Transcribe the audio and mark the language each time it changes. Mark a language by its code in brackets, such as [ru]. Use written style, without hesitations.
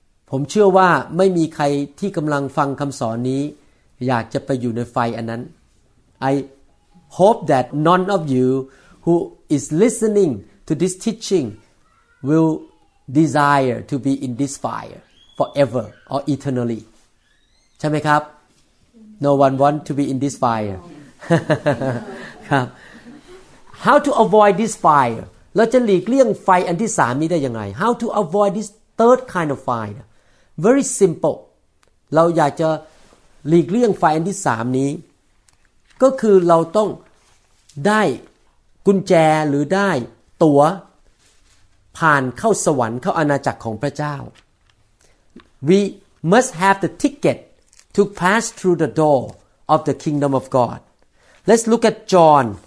[th] ผมเชื่อว่าไม่มีใครที่กำลังฟังคำสอนนี้อยากจะไปอยู่ในไฟอันนั้น [en] I hope that none of you who is listening to this teaching will desire to be in this fire forever or eternally. [th] ใช่ไหมครับ [en] No one want to be in this fire. [th] ครับ [en] How to avoid this fire? [th] เราจะหลีกเลี่ยงไฟอันที่สามนี้ได้ยังไง [en] How to avoid this third kind of fire? Very simple. [th] เราอยากจะหลีกเลี่ยงไฟอันที่สามนี้ก็คือเราต้องได้กุญแจหรือได้ตั๋วผ่านเข้าสวรรค์เข้าอาณาจักรของพระเจ้า [en] We must have the ticket to pass through the door of the kingdom of God. Let's look at John.